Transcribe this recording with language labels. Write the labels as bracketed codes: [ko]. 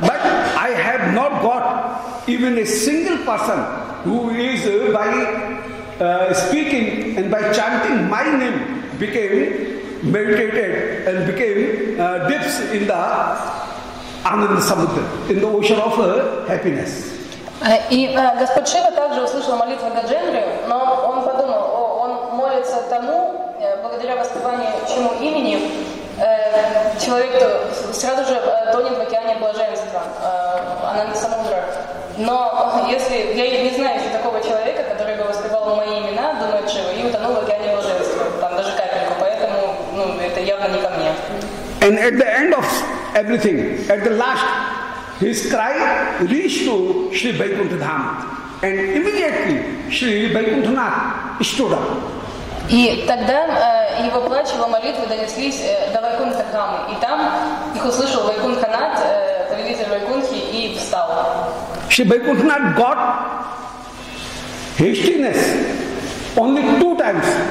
[en] But I have not got even a single person who is by speaking and by chanting my name became meditated and became dips in the Anand Samudra, in the ocean of happiness. [ru] Господь Шива также услышал молитву Гаджендры, но он подумал, он молится тому, благодаря воспеванию чему имени, человек сразу же тонет в океане блаженства, Ананда Самудра. Но если я не знаю еще такого человека, который бы воспевал мои имена, думает Шива, и утонул в океане блаженства, там даже капельку, поэтому это явно не ко мне. [en] And at the end of everything, at the last, his cry reached to Sri Vaikuntha Dham. And immediately, Sri Vaikuntha Nath stood up. [ru] И тогда его плач, его молитвы донеслись до Вайкунтха Дхамы. И там их услышал Вайкунтха Нат, повелитель Вайкунтхи, и встал. [en] Sri Vaikuntha Nath got hastiness only two times.